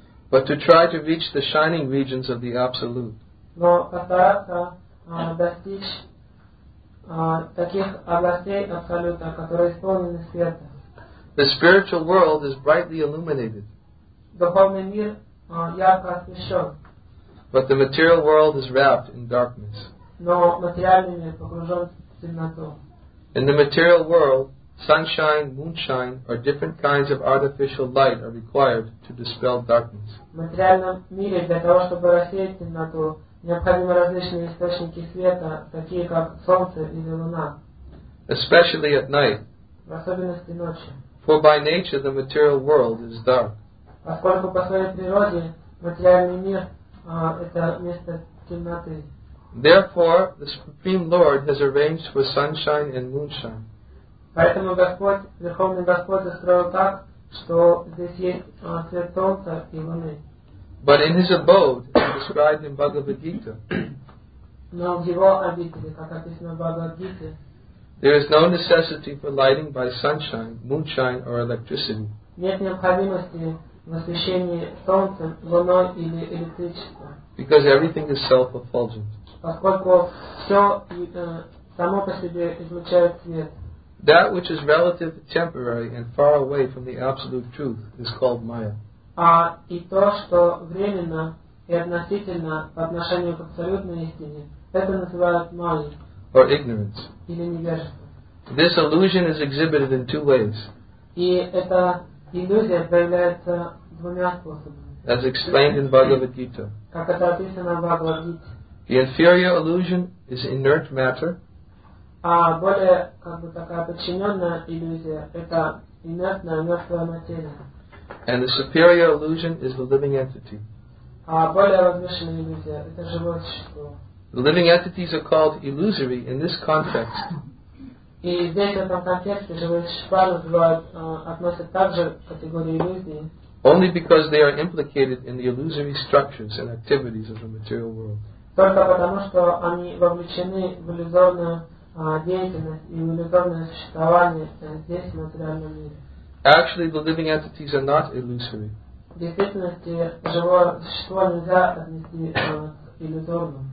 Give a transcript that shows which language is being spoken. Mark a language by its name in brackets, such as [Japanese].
[English] But to try to reach the shining regions of the Absolute. [Russian] Но постараться достичь таких областей Абсолюта, которые исполнены света. [English] The spiritual world is brightly illuminated. [Russian] Духовный мир ярко освещен. [English] But the material world is wrapped in darkness. [Russian] Но материальный мир погружен в темноту. [English] In the material world, sunshine, moonshine, or different kinds of artificial light are required to dispel darkness. [Russian] В материальном мире для того, чтобы рассеять темноту, необходимы различные источники света, такие как солнце или луна. [English] Especially at night. [Russian] В особенности ночью. [English] For by nature the material world is dark. [Russian] Поскольку по своей природе материальный мир это место темноты. [English] Therefore, the Supreme Lord has arranged for sunshine and moonshine. [Russian] Поэтому Господь, Верховный Господь, устроил так, что здесь есть свет солнца и луны. [English] But in his abode, as described in Bhagavad Gita, [Russian] но в его обители, как описано в Бхагавад Гите, [English] there is no necessity for lighting by sunshine, moonshine, or electricity. [Russian] Нет необходимости в освещении солнцем, луной или электричеством. [English] Because everything is self-effulgent. [Russian] Поскольку все само по себе излучает свет. [English] That which is relative, temporary, and far away from the absolute truth is called Maya. [Russian] А и то, что временно и относительно по отношению к абсолютной истине, это называют Майя. [English] Or ignorance. [Russian] Или невежество. [English] This illusion is exhibited in two ways. [Russian] И эта иллюзия проявляется двумя способами. [English] As explained in Bhagavad Gita. [Russian] Как это описано в Бхагавад Гите. [English] The inferior illusion is inert matter. [Russian] А более как бы такая подчиненная иллюзия это инертная мертвая материя. [English] And the superior illusion is the living entity. [Russian] А более возвышенная иллюзия это живое существо. [English] The living entities are called illusory in this context. [Russian] И здесь в этом контексте живые существа называют относят также к категории иллюзии. [English] Only because they are implicated in the illusory structures and activities of the material world. [Russian] Только потому, что они вовлечены в иллюзорную деятельность и в иллюзорное существование здесь, в материальном мире. [English] Actually, the living entities are not illusory. [Russian] В действительности, живое существо нельзя отнести к иллюзорному.